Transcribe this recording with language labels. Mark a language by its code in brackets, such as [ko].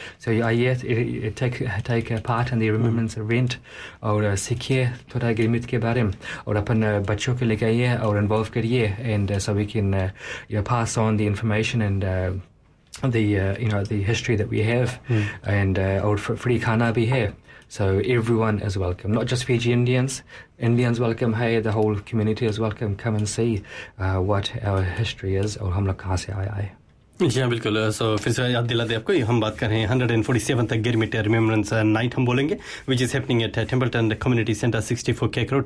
[en] so आइए take part in the remembrance event [hi] और सीखिए थोड़ा गिरमिट के बारे में, और अपन बच्चों के लेके आइए और इन्वॉल्व करिए, [en] And so we can pass on the information and the history that we have. And old [hi] free khana bhi hai, [en] so everyone is welcome, not just Fiji Indians welcome, hey, the whole community is welcome, come and see what our history is. [hi] Aur hum log kahan se aaye hai. जी हाँ, बिल्कुल. सो फिर से याद दिला दे आपको, हम बात कर रहे हैं 147th गिरमिट रिमेम्बरेंस नाइट हम बोलेंगे, [en] which is happening at [hi] Templeton community centre 64 cake road.